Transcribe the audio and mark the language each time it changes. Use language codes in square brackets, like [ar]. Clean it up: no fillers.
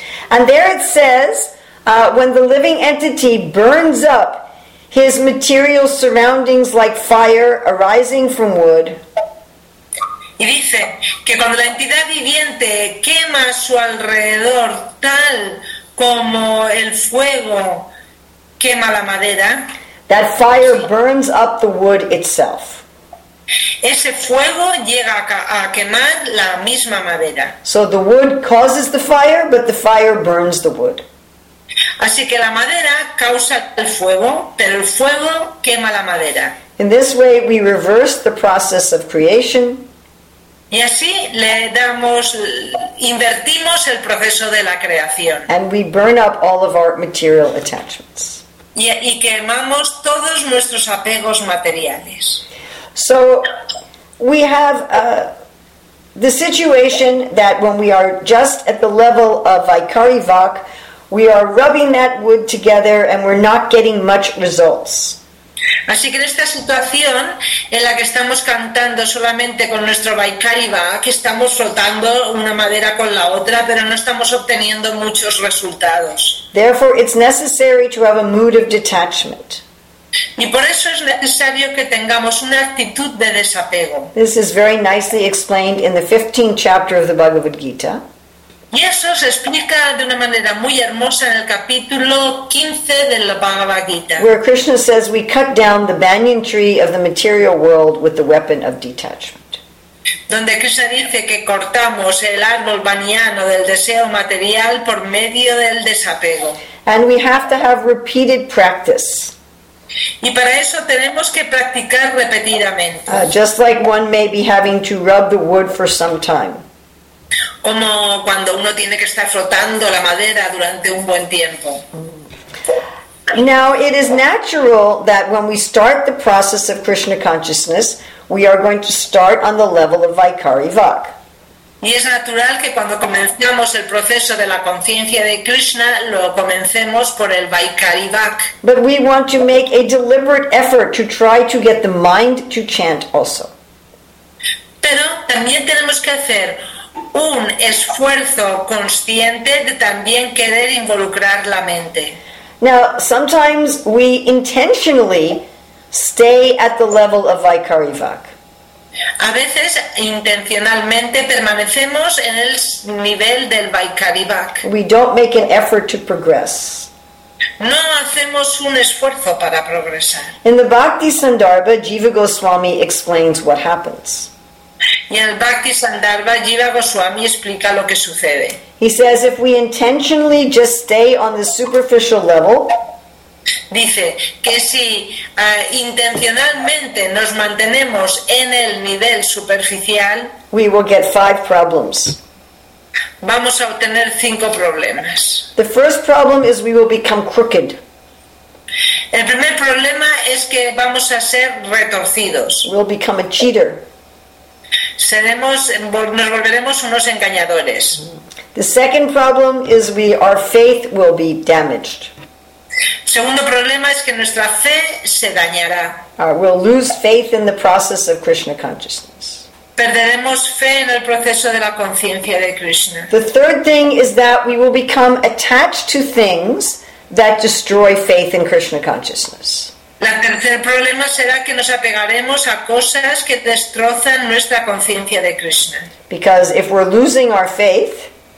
[en] And there it says, when the living entity burns up his material surroundings like fire arising from wood. [es] Y dice que cuando la entidad viviente quema su alrededor tal como el fuego quema la madera, [en] that fire burns up the wood itself. [es] Ese fuego llega a quemar la misma madera. [en] So the wood causes the fire, but the fire burns the wood. [es] Así que la madera causa el fuego, pero el fuego quema la madera. [en] In this way we reverse the process of creation. [es] Y así le damos, invertimos el proceso de la creación. [en] And we burn up all of our material attachments. [es] Y quemamos todos nuestros apegos materiales. [en] So we have the situation that when we are just at the level of Vaikari Vak, we are rubbing that wood together and we're not getting much results. [es] Así que en esta situación en la que estamos cantando solamente con nuestro Vaikari Vak, estamos frotando una madera con la otra, pero no estamos obteniendo muchos resultados. [en] Therefore, it's necessary to have a mood of detachment. [es] Y por eso es necesario que tengamos una actitud de desapego. [en] This is very nicely explained in the 15th chapter of the Bhagavad Gita. [es] Y eso se explica de una manera muy hermosa en el capítulo 15 de la Bhagavad Gita. [en] Where Krishna says we cut down the banyan tree of the material world with the weapon of detachment. [es] Donde Krishna dice que cortamos el árbol baniano del deseo material por medio del desapego. [en] And we have to have repeated practice. [es] Y para eso tenemos que practicar repetidamente. [en] Just like one may be having to rub the wood for some time. [es] Como cuando uno tiene que estar frotando la madera durante un buen tiempo. [en] Now, it is natural that when we start the process of Krishna consciousness, we are going to start on the level of Vaikari Vak. [es] Y es natural que cuando comenzamos el proceso de la conciencia de Krishna, lo comencemos por el Vaikari Vak. [en] But we want to make a deliberate effort to try to get the mind to chant also. [es] Pero también tenemos que hacer un esfuerzo consciente de también querer involucrar la mente. [en] Now, sometimes we intentionally stay at the level of Vaikari Vak. [es] A veces intencionalmente permanecemos en el nivel del Vaikari Vak. [en] We don't make an effort to progress. [es] No hacemos un esfuerzo para progresar. [en] In the Bhakti Sandarbha, Jiva Goswami explains what happens. [es] Y en el Bhakti Sandarbha, Jiva Goswami explica lo que sucede. [en] He says, if we intentionally just stay on the superficial level, [es] dice que si intencionalmente nos mantenemos en el nivel superficial, [en] we will get five problems. [es] Vamos a obtener cinco problemas. [en] The first problem is we will become crooked. [es] El primer problema es que vamos a ser retorcidos. [en] We'll become a cheater. [es] Nos volveremos unos engañadores. [en] The second problem is our faith will be damaged. [es] Segundo problema es que nuestra fe se dañará. [en] We'll lose faith in the process of Krishna consciousness. [es] Perderemos fe en el proceso de la conciencia de Krishna. [en] The third thing is that we will become attached to things that destroy faith in Krishna consciousness. [es] La tercer problema será que nos apegaremos a cosas que destrozan nuestra conciencia de Krishna. [en] Because if we're losing our faith,